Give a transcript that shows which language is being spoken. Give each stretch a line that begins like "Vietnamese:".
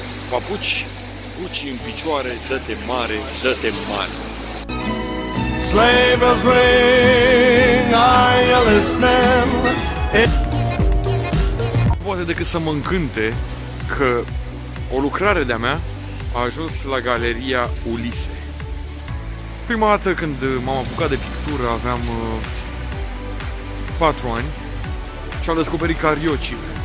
Romanian: Papuci, cuci în picioare, dă-te mare, dă-te mare.
English: Sleigh bells ring, are you listening?
Romanian: Poate decât să mă încânte, că o lucrare de-a mea a ajuns la Galeria Ulise. Prima dată când m-am apucat de pictură aveam 4 ani și am descoperit cariocii.